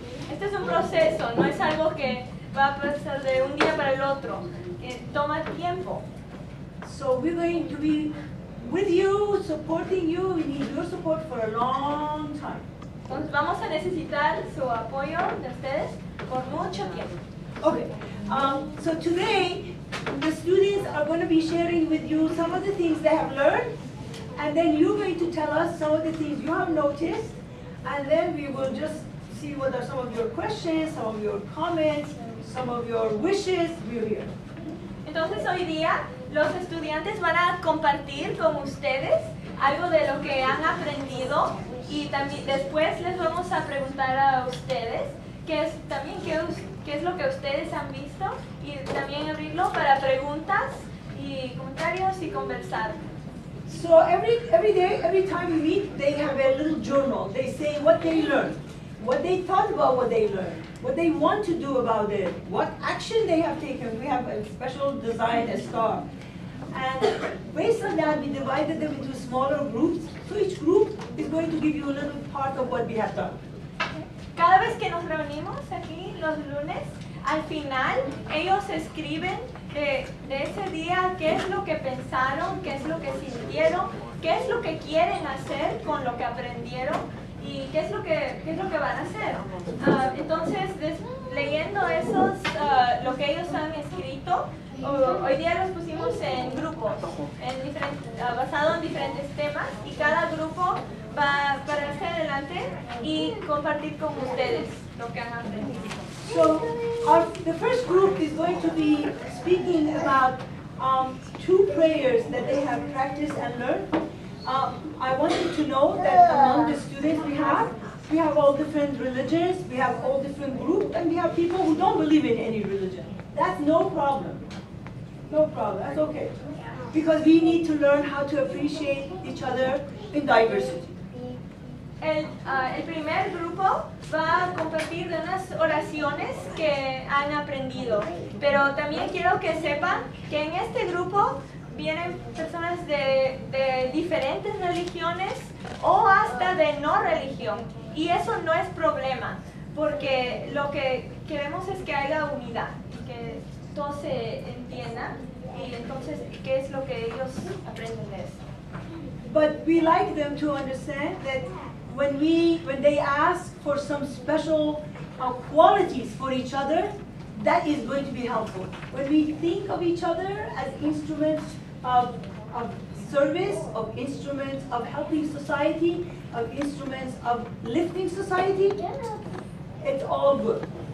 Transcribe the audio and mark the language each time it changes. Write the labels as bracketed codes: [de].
[es] Este es un proceso, no es algo que va a pasar de un día para el otro, que toma tiempo. [en] So we're going to be with you, supporting you. We need your support for a long time. [es] Entonces vamos a necesitar su apoyo de ustedes por mucho tiempo. [en] Okay. So today, the students are going to be sharing with you some of the things they have learned, and then you're going to tell us some of the things you have noticed, and then we will just see what are some of your questions, some of your comments, some of your wishes. We're here. [es] Entonces hoy día, los estudiantes van a compartir con ustedes algo de lo que han aprendido, y también después les vamos a preguntar a ustedes qué es lo que ustedes han visto, y también abrirlo para preguntas y comentarios y conversar. [en] So every day, every time we meet, they have a little journal. They say what they learned, what they thought about what they learned, what they want to do about it, what action they have taken. We have a special design, a star. And based on that, we divided them into smaller groups. So each group is going to give you a little part of what we have done. [es] cada vez que nos reunimos aquí los lunes, al final ellos escriben de ese día qué es lo que pensaron, qué es lo que sintieron, qué es lo que quieren hacer con lo que aprendieron y qué es lo que van a hacer. Entonces, leyendo esos, lo que ellos han escrito, hoy día los pusimos en grupos, basado en diferentes temas, y cada grupo va a pararse adelante y compartir con ustedes lo que han aprendido. [en] So, the first group is going to be speaking about two prayers that they have practiced and learned. I wanted to know that among the students we have all different religions, we have all different groups, and we have people who don't believe in any religion. That's no problem. No problem. That's okay. Because we need to learn how to appreciate each other in diversity. [es] El primer grupo va a compartir de unas oraciones que han aprendido, pero también quiero que sepan que en este grupo vienen personas de diferentes religiones o hasta de no religión, y eso no es problema, porque lo que queremos es que haya unidad, que todo se entienda, y entonces, ¿qué es lo que ellos aprenden de eso? [en] But we like them to understand that when they ask for some special qualities for each other, that is going to be helpful. When we think of each other as instruments of service, of instruments of helping society, of instruments of lifting society, it's all good.